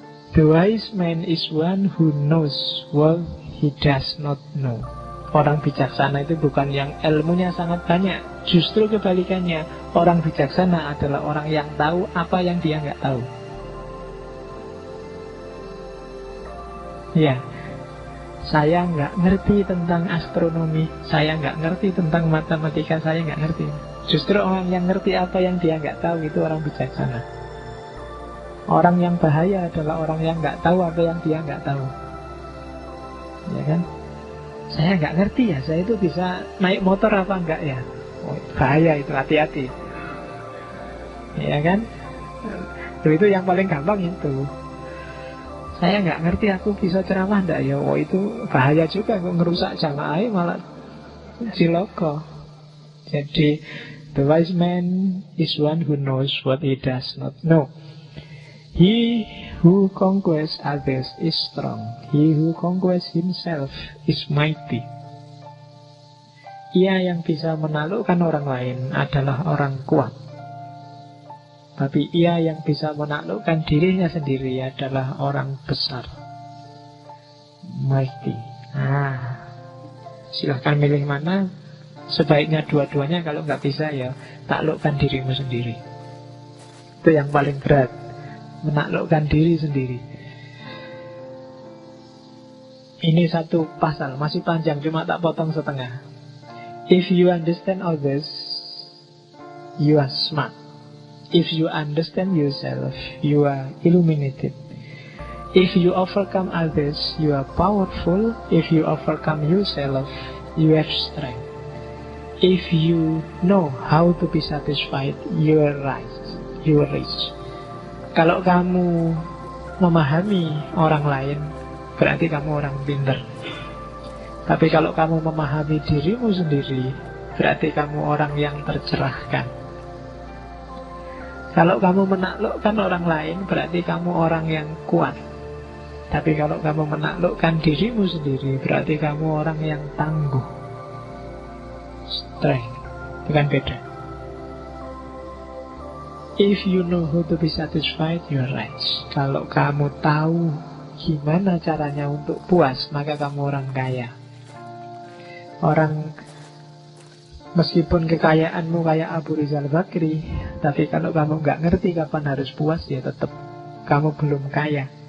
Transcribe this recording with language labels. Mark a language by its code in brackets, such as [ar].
[en] The wise man is one who knows what he does not know. [id] Orang bijaksana itu bukan yang ilmunya sangat banyak. Justru kebalikannya, orang bijaksana adalah orang yang tahu apa yang dia enggak tahu. Ya, saya enggak ngerti tentang astronomi, saya enggak ngerti tentang matematika, saya enggak ngerti. Justru orang yang ngerti apa yang dia enggak tahu itu orang bijaksana. Orang yang bahaya adalah orang yang enggak tahu apa yang dia enggak tahu. Ya kan? Saya enggak ngerti ya, saya itu bisa naik motor apa enggak ya? Bahaya itu, hati-hati. Ya kan? Itu yang paling gampang itu. Saya enggak ngerti aku bisa ceramah enggak ya? Oh, itu bahaya juga, aku ngerusak jamaah malah ciloko. Jadi, [en] the wise man is one who knows what he does not know. He who conquers others is strong. He who conquers himself is mighty. [id] Ia yang bisa menaklukkan orang lain adalah orang kuat. Tapi ia yang bisa menaklukkan dirinya sendiri adalah orang besar. Mighty. Ah, silakan milih mana. Sebaiknya dua-duanya, kalau enggak bisa ya taklukkan dirimu sendiri. Itu yang paling berat. Menaklukkan diri sendiri. Ini satu pasal, masih panjang, cuma tak potong setengah. [en] If you understand all this, you are smart. If you understand yourself, you are illuminated. If you overcome others, you are powerful. If you overcome yourself, you have strength. If you know how to be satisfied, you are rise. You are rich. [id] Kalau kamu memahami orang lain, berarti kamu orang pintar. Tapi kalau kamu memahami dirimu sendiri, berarti kamu orang yang tercerahkan. Kalau kamu menaklukkan orang lain, berarti kamu orang yang kuat. Tapi kalau kamu menaklukkan dirimu sendiri, berarti kamu orang yang tangguh. Strength. Itu kan beda. [en] If you know how to be satisfied, you are rich. [id] Kalau kamu tahu gimana caranya untuk puas, maka kamu orang kaya. Orang, meskipun kekayaanmu kayak Abu Rizal Bakri, tapi kalau kamu gak ngerti kapan harus puas, ya tetap kamu belum kaya.